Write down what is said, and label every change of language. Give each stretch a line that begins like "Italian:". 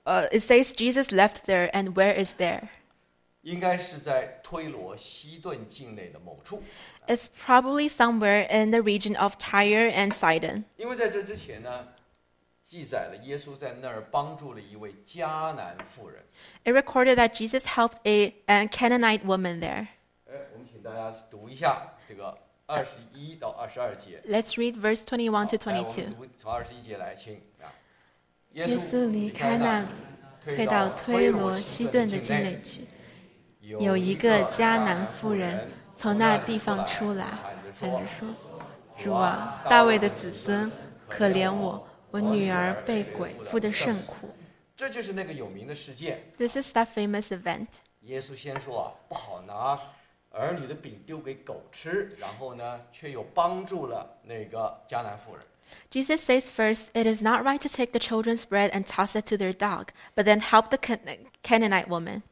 English: It says Jesus left there, and where is there?
Chinese: 应该是在推罗西顿境内的某处。
English: It's probably somewhere in the region of Tyre and Sidon.
Chinese: 因为在这之前呢，记载了耶稣在那儿帮助了一位迦南妇人。
English: It recorded that Jesus helped a Canaanite woman there.
Chinese: 我们请大家读一下这个二十一到二十二节。
English: Let's read verse 21 to 22.
Chinese: 来，我们读从二十一节来，请啊。耶稣离开那里，退到推罗西顿的境内去。有一个迦南妇人从那地方出来，喊着说：“主啊，大卫的子孙，可怜我。” 我女儿被鬼附得甚苦。这就是那个有名的事件。
English: This is that famous event.
Chinese: 耶稣先说啊，不好拿儿女的饼丢给狗吃，然后呢，却又帮助了那个迦南妇人。
English: Jesus says first, it is not right to take the children's bread and toss it to their dog, but then help the Canaanite woman.